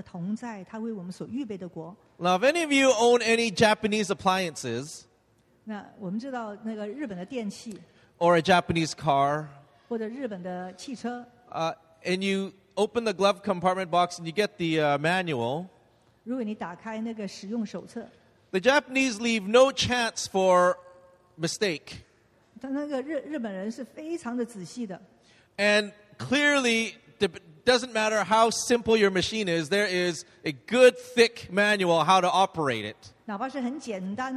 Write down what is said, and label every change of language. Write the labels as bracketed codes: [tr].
[zh] 所以神就在对我们说话，我们怎么样来预备自己，来进入他的同在，他为我们所预备的国。 [en] Now, if any of you own any Japanese appliances, [zh] 那我们知道那个日本的电器, [en] or a Japanese car, [zh] 或者日本的汽车, [en] and you open the glove compartment box and you get the manual, [zh] 如果你打开那个使用手册, [en] the Japanese leave no chance for mistake. And clearly, doesn't matter how simple your machine is, there is a good thick manual how to operate it.